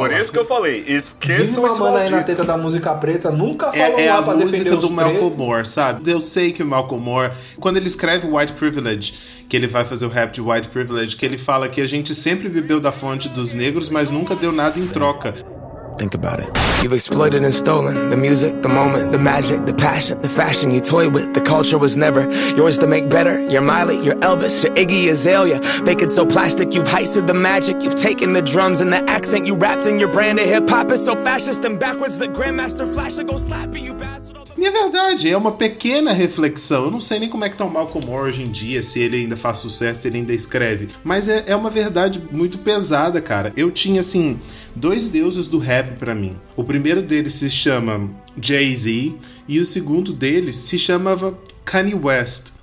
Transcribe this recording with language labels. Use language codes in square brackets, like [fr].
[pt] Por isso que eu falei, esqueça uma mana aí na teta da música preta, nunca falou mal pra defender os pretos. É a música do Malcolm Moore, sabe? Eu sei que o Malcolm Moore, quando ele escreve White Privilege, que ele vai fazer o rap de White Privilege, que ele fala que a gente sempre bebeu da fonte dos negros, mas nunca deu nada em troca. [en] Think about it. You've exploited and stolen the music, the moment, the magic, the passion, the fashion you toy with. The culture was never yours to make better. You're Miley, you're Elvis, you're Iggy Azalea. Make it so plastic, you've heisted the magic. You've taken the drums and the accent you wrapped in your brand of hip hop is so fascist and backwards. The Grandmaster Flash will go slap you, bastard. [pt] E é verdade, é uma pequena reflexão. Eu não sei nem como é que tá o Malcolm Moore hoje em dia, se ele ainda faz sucesso, se ele ainda escreve. Mas é uma verdade muito pesada, cara. Eu tinha, assim, dois deuses do rap pra mim. O primeiro deles se chama Jay-Z e o segundo deles se chamava Kanye West.